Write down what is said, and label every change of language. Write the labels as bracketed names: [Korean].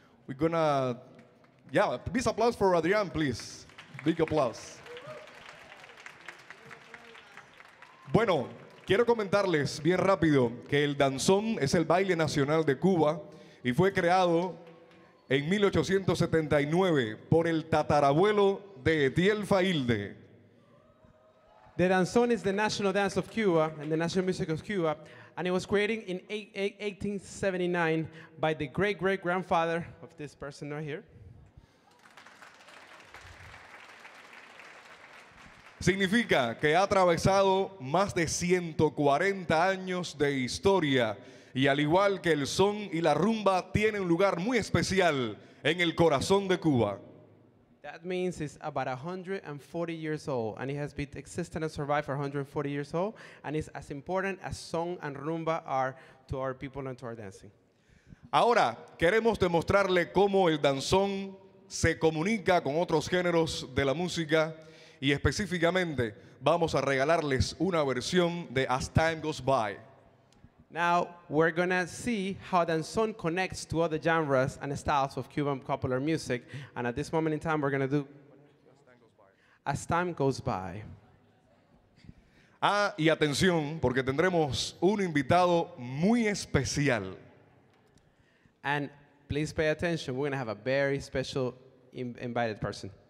[English] We're gonna, yeah, big applause for Adrián, please. Big applause. [Spanish] Bueno, quiero comentarles bien rápido que el danzón es el baile nacional de Cuba y fue creado en 1879 por el tatarabuelo de Etiel Failde. [English] The danzón is the national dance of Cuba and the national music of Cuba, and it was created in 1879 by the great-great-grandfather of this person right here. [Spanish] Significa que ha atravesado más de 140 años de historia, y al igual que el son y la rumba, tiene un lugar muy especial en el corazón de Cuba. [English] That means it's about 140 years old, and it has been existing and survived for 140 years old, and it's as important as song and rumba are to our people and to our dancing. [Spanish] Ahora queremos demostrarle cómo el danzón se comunica con otros géneros de la música, y específicamente vamos a regalarles una versión de As Time Goes By. [English] Now we're gonna see how danzón connects to other genres and styles of Cuban popular music, and at this moment in time we're gonna do As Time Goes By. [Spanish] Ah, y atención, porque tendremos un invitado muy especial. [English] And please pay attention, we're gonna have a very special invited person.